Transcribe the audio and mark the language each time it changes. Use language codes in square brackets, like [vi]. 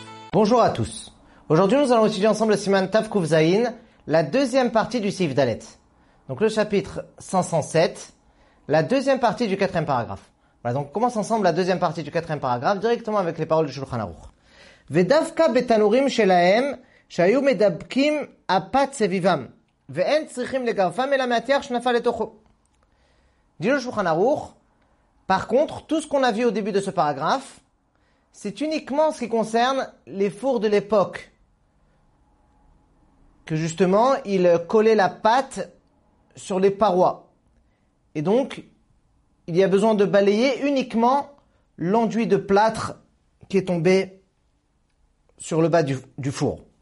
[fr] Bonjour à tous. Aujourd'hui, nous allons étudier ensemble le Siman Tav Kuf Zayin, la deuxième partie du Sif Dalet. Donc le chapitre 507, la deuxième partie du quatrième paragraphe. Voilà, donc on commence ensemble la deuxième partie du quatrième paragraphe directement avec les paroles du Shulchan Aruch. [he] ודווקא בתנורים שלהם שהיו מדבקים אפת סביבם ואין צריכים לגרפם אלא מהטיח שנפל לתוכו. דיל שולחן ערוך. [fr] Par contre, tout ce qu'on a vu au début de ce paragraphe, c'est uniquement ce qui concerne les fours de l'époque. Que justement, ils collaient la pâte sur les parois. Et donc, il y a besoin de balayer uniquement l'enduit de plâtre qui est tombé sur le bas du four.